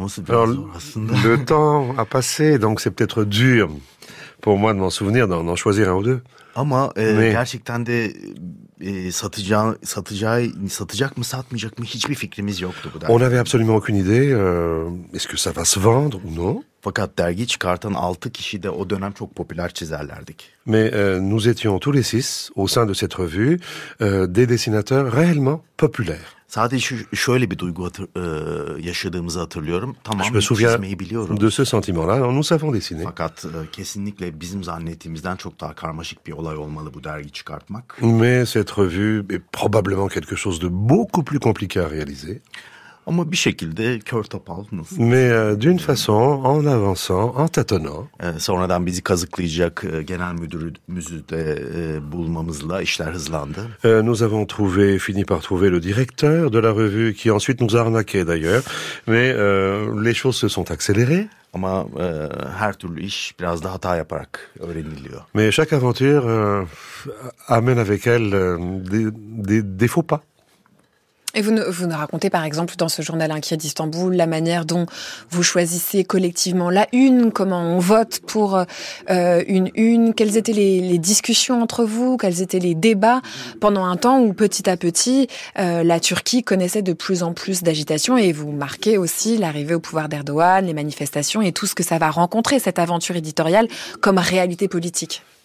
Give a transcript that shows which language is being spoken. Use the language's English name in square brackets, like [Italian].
[French] Alors, le temps a passé, donc c'est peut-être dur pour moi de m'en souvenir, d'en choisir un ou deux. [Turkish] Ama gerçekten de satacak mı satmayacak mı hiçbir fikrimiz yoktu bu dergi. [French] On avait absolument aucune idée est-ce que ça va se vendre ou non? [Turkish] Fakat dergi çıkartan 6 kişi de o dönem çok popüler çizerlerdik. [French] Mais nous étions tous les 6 au sein de cette revue des dessinateurs réellement populaires. [Turkish] Sadece şöyle bir duygu yaşadığımızı hatırlıyorum. Tamam, [French] je me souviens de ce sentiment-là. Nous savons dessiner. [Turkish] Fakat kesinlikle bizim zannettiğimizden çok daha karmaşık bir olay olmalı bu dergi çıkartmak. [French] Mais cette revue est probablement quelque chose de beaucoup plus compliqué à réaliser. [Turkish] Ama bir şekilde kör topal nasıl? [French] Mais d'une façon, en avançant, en tâtonnant. [Turkish] Sonradan bizi kazıklayacak genel müdürümüzü de bulmamızla işler hızlandı. [French] Nous avons trouvé, fini par trouver le directeur de la revue qui ensuite nous a arnaqué d'ailleurs. Mais les choses se sont accélérées. [Turkish] Ama her türlü iş biraz da hata yaparak öğreniliyor. [French] Mais chaque aventure amène avec elle des faux pas. Et vous ne racontez par exemple dans ce journal inquiet d'Istanbul la manière dont vous choisissez collectivement la une, comment on vote pour une, quelles étaient les discussions entre vous, quels étaient les débats pendant un temps où petit à petit la Turquie connaissait de plus en plus d'agitation et vous marquez aussi l'arrivée au pouvoir d'Erdogan, les manifestations et tout ce que ça va rencontrer, cette aventure éditoriale comme réalité politique.